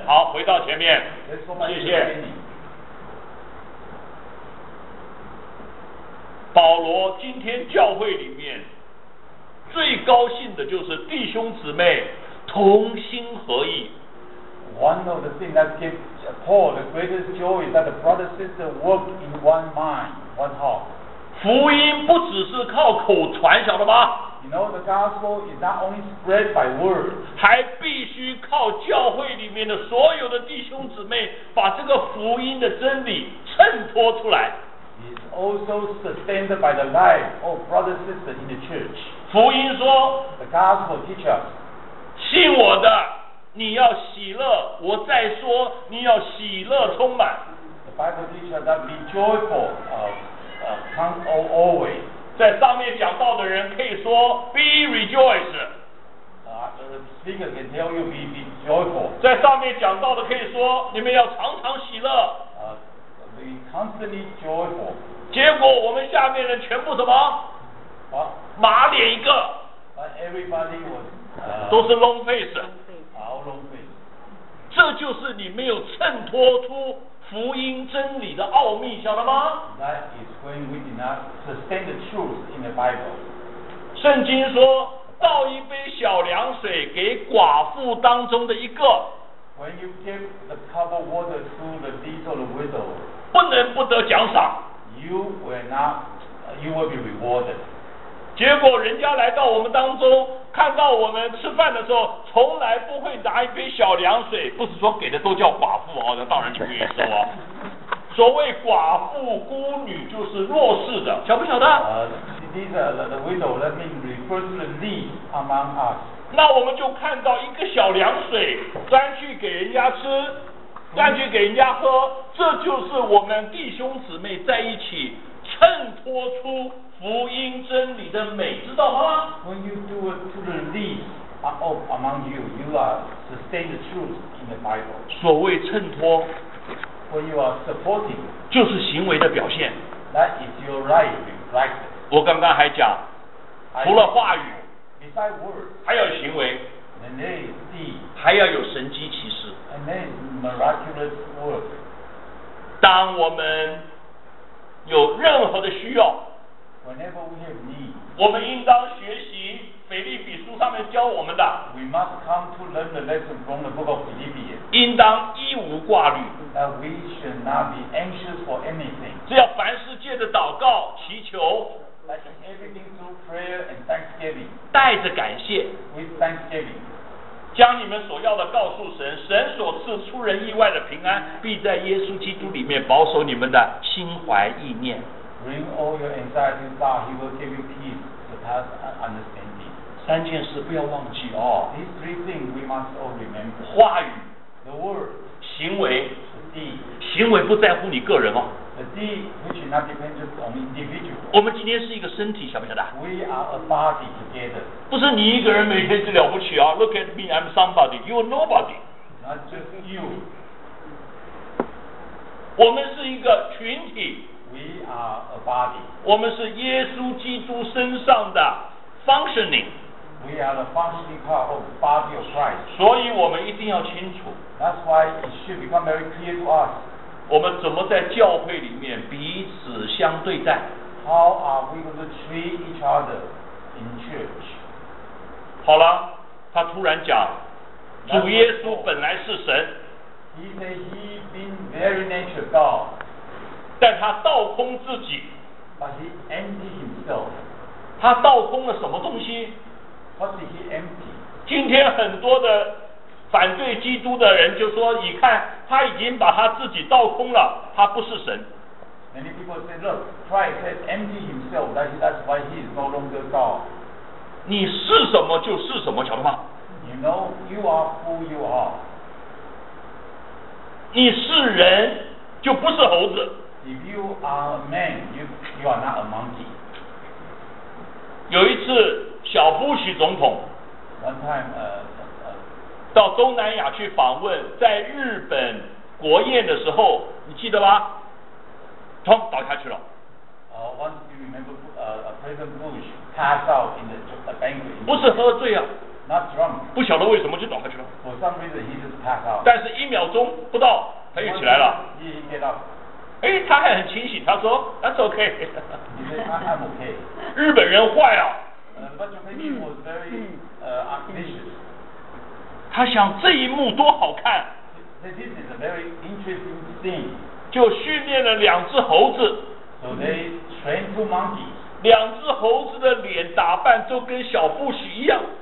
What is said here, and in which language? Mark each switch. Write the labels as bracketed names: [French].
[Chinese] 好，回到前面，谢谢。保罗今天教会里面最高兴的就是弟兄姊妹同心合意。 [English] One of the things that gives Paul the greatest joy is that the brother sister work in one mind, one heart. [Chinese] 福音不只是靠口传，晓得吗？ [English] You know the gospel is not only spread by word. [Chinese] 还必须靠教会里面的所有的弟兄姊妹把这个福音的真理衬托出来。 [English] Is also sustained by the life of brothers and sisters in the church. [Chinese] 福音说 [English] ，The gospel teaches, [Chinese] 信我的，你要喜乐。我再说，你要喜乐充满。 [English] The Bible teaches that be joyful, come always. [Chinese] 在上面讲到的人可以说 [English] be rejoiced. The speaker can tell you be joyful. [Chinese] 在上面讲到的可以说，你们要常常喜乐。 [English] We constantly joyful. [Chinese] 结果我们下面的全部什么？马脸一个。 [English] But everybody was. [Chinese] 都是 [English] long face. All long face. [Chinese] 这就是你没有衬托出福音真理的奥秘，晓得吗 [English] ？That is when we did not sustain the truth in the Bible. [Chinese] 圣经说，倒一杯小凉水给寡妇当中的一个。 [English] When you give the cup of water to the little widow. [Chinese] 不能不得奖赏。 [English] You will be rewarded. [Chinese] 结果人家来到我们当中，看到我们吃饭的时候，从来不会拿一杯小凉水，不是说给的都叫寡妇哦，那当然你不愿意收啊。所谓寡妇孤女就是弱势的，晓不晓得？ [English] The widow, let me refer to the least among us. [Chinese] 那我们就看到一个小凉水，端去给人家吃，断去给人家喝，这就是我们弟兄姊妹在一起衬托出福音真理的美，知道吗？ [English] When you do it to the least of among you, you are sustain the truth in the Bible. [Chinese] 所谓衬托， [English] When you are supporting, [Chinese] 就是行为的表现。 [English] That is your right reflect. [Chinese] 我刚刚还讲，除了话语， [English] beside words, [Chinese] 还有行为。 [English] And then, [Chinese] 还要有神迹奇事。 [English] And then, miraculous work. [Chinese] 当我们有任何的需要， [English] Whenever we have need, [Chinese] 我们应当学习腓立比书上面教我们的。 [English] We must come to learn the lesson from the book of Philippians. [Chinese] 应当一无挂虑。 [English] That we should not be anxious for anything. [Chinese] 只要凡事借着祷告祈求。 [English] Like everything through prayer and thanksgiving. [Chinese] 带着感谢。 [English] With thanksgiving. [Chinese] 将你们所要的告诉神，神所赐出人意外的平安，必在耶稣基督里面保守你们的心怀意念。 [English] Bring all your anxieties to God, He will give you peace surpass understanding. [Chinese] 三件事不要忘记哦。 [English] These three things we must all remember. [Chinese] 话语 [English] ，the word， [Chinese] 行为 [English] ，the deed， [Chinese] 行为不在乎你个人哦。 [English] The deed which not depend just on individual. [Chinese] 我们今天是一个身体，晓不晓得 [English] ？We are a body together. [Chinese] 不是你一个人每天是了不起啊 ！ [English] Look at me, I'm somebody. You are nobody. Not just you. [Chinese] 我们是一个群体。 [English] We are a body. [Chinese] 我们是耶稣基督身上的 functioning. [English] We are the functioning part of the body of Christ. [Chinese] 所以我们一定要清楚。 [English] That's why it should become very clear to us. [Chinese] 我们怎么在教会里面彼此相对待 [English] ？How are we going to treat each other in church? [Chinese] 好了，他突然讲，主耶稣本来是神。 [English] He said he being very nature God. [Chinese] 但他倒空自己。 [English] But he emptied himself. [Chinese] 他倒空了什么东西 [English] ？What did he empty? [Chinese] 今天很多的反对基督的人就说：“你看，他已经把他自己倒空了，他不是神。” [English] Many people say, "Look, Christ has emptied himself. That's why he is no longer God." [Chinese] 你是什么就是什么，晓得吗 [English] ？You know you are who you are. [Chinese] 你是人就不是猴子。 [English] If you are a man, you are not a monkey. [Chinese] 有一次，小布什总统 [English] ，One time, [Chinese] 到东南亚去访问，在日本国宴的时候，你记得吗？砰，倒下去了。 [English] Once you remember, President Bush. Passed out in the banquet. [Chinese] 不是喝醉啊 [English] ，not drunk. [Chinese] 不晓得为什么就倒下去了。 [English] For some reason, he just passed out. [Chinese] 但是一秒钟不到，他又起来了。 [English] He get up. [Chinese] 哎，他还很清醒，他说 ， [English] That's okay. He said, I'm okay. [Chinese] 日本人坏啊。 [English] But Japan was very ambitious. [Chinese] 他想这一幕多好看。 [English] This is a very interesting scene. [Chinese] 就训练了两只猴子。 [English] So they train two monkeys. [Chinese] 两只猴子的脸打扮都跟小布什一样。